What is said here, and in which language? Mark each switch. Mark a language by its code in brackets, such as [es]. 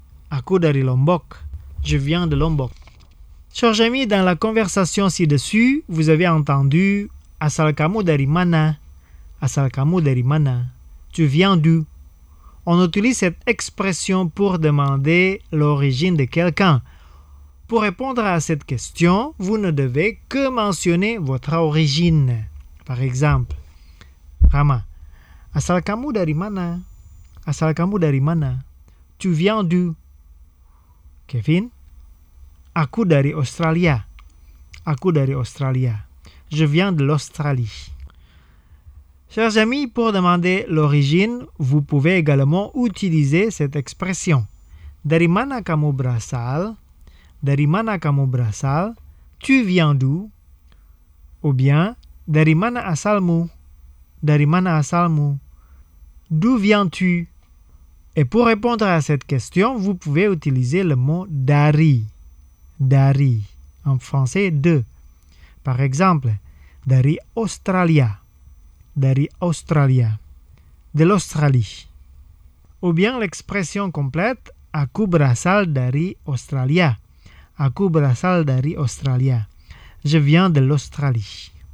[id] Aku dari Lombok. [fr] Je viens de Lombok. Chers amis, dans la conversation ci-dessus, vous avez entendu [id] Asal kamu dari mana? Asal kamu dari mana? [fr] Tu viens d'où? On utilise cette expression pour demander l'origine de quelqu'un. Pour répondre à cette question, vous ne devez que mentionner votre origine. Par exemple, [id] Rama, Asal kamu dari mana? Asal kamu dari mana? [fr] Tu viens d'où? [id] Kevin, aku dari Australia. Aku dari Australia. [fr] Je viens de l'Australie. Chers amis, pour demander l'origine, vous pouvez également utiliser cette expression. [id] Dari mana kamu berasal? Dari mana kamu berasal? [fr] Tu viens d'où? Ou bien, [id] dari mana asalmu? Dari mana asalmu? [fr] D'où viens-tu? Et pour répondre à cette question, vous pouvez utiliser le mot dari. Dari. En français, de. Par exemple, [id] dari Australia. Dari Australia. [fr] De l'Australie. Ou bien l'expression complète, [id] aku berasal dari Australia. Aku berasal dari Australia. [fr] Je viens de l'Australie.